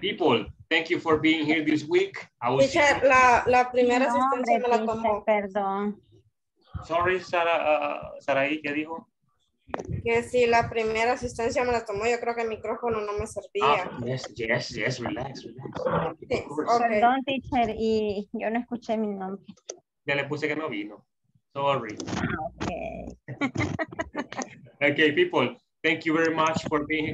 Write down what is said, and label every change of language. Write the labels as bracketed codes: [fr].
[en] People, thank you for being here this week. [es] I will teacher, see la primera asistencia me la tomó. Perdón. Sorry, Sarai, ¿qué dijo? Que si la primera asistencia me la tomó, yo creo que el micrófono no me servía. [en] Yes, relax. Okay. [es] Perdón, teacher, y yo no escuché mi nombre. Ya le puse que no vino. Sorry. [en] Okay. Okay, people, thank you very much for being here.